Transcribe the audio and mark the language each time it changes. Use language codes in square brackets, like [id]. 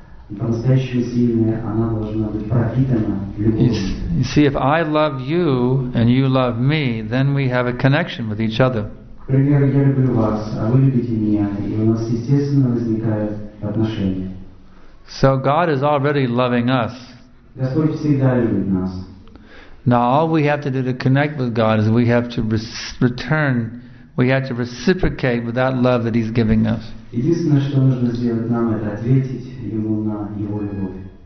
[en] You see, if I love you and you love me, then we have a connection with each other. [ru] Например, я люблю вас, а вы любите меня, и у нас естественно возникают отношения. [en] So God is already loving us. [ru] Господь всегда любит нас. [en] Now all we have to do to connect with God is we have to return, we have to reciprocate with that love that He's giving us. [ru] Единственное, что нужно сделать нам, это ответить Ему на Его любовь.